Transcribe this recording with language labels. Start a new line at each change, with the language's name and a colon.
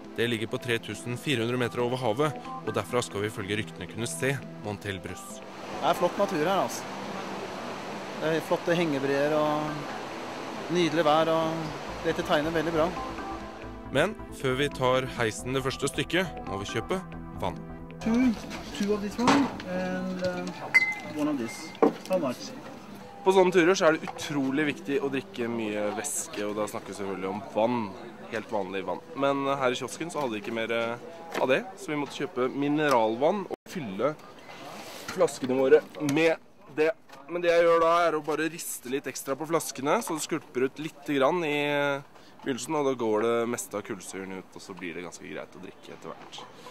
Norwegian: Det ligger på 3400 meter over havet, og derfra skal vi følge ryktene kunne se Mont Elbrus. Det flott natur her, altså. Det flotte hengebreer og nydelig vær, og dette tegner veldig bra. Men før vi tar heisen det første stykket, må vi kjøpe vann.
English: Two of this one, and one of this. How much?
Norwegian: På sånne turer så er det utrolig viktig å drikke mye væske, og da snakker vi selvfølgelig om vann, helt vanlig vann. Men her i kiosken så hadde vi ikke mer av det, så vi måtte kjøpe mineralvann og fylle flaskene våre med det. Men det jeg gjør da å bare riste litt ekstra på flaskene, så det skulper ut litt grann i begynnelsen, og da går det meste av kullsyren ut, og så blir det ganske greit å drikke etter hvert.